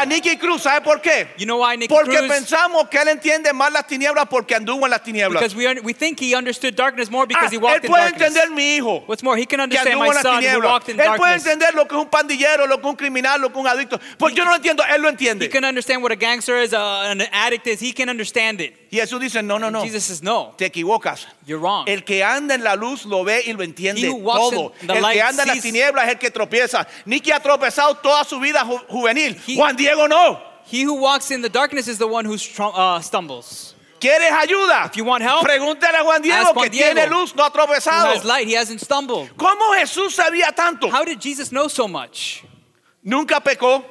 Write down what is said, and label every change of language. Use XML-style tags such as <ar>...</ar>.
<es>A Nicky Cruz, ¿sabe por qué?</es> <en>You know why Nicky Cruz?</en> <es>Porque pensamos que él entiende más las tinieblas porque anduvo en las tinieblas.</es> <en>Because we think he understood darkness more because he walked in darkness.</en> <es>Él puede entender mi hijo.</es> <en>What's more, he can understand my son who walked in darkness.</en> <es>Él puede entender lo que es un pandillero, lo que es un criminal, lo que es un adicto. Pues yo no lo entiendo, él lo entiende.</es> <en>He can understand what a gangster is, an addict is. He can understand it.</en> <es>Y Jesús dice, no.</es> <en>Jesus says, no.</en> <es>Te equivocas.</es> <en>You're wrong.</en> <es>El que anda en la luz lo ve y lo entiende todo. El que anda en las tinieblas es el que tropieza. Nicky ha tropezado toda su vida juvenil. Juan Diego no.</es> <en>He who walks in the darkness is the one who stumbles.</en> <es>¿Quieres ayuda?</es> <en>If you want help,</en> <es>pregúntale a Juan Diego, Juan que tiene Diego, luz, no ha tropezado.</es> <en>Who has light, he hasn't stumbled.</en> <es>¿Cómo Jesús sabía tanto?</es> <en>How did Jesus know so much?</en> <es>Nunca pecó.</es>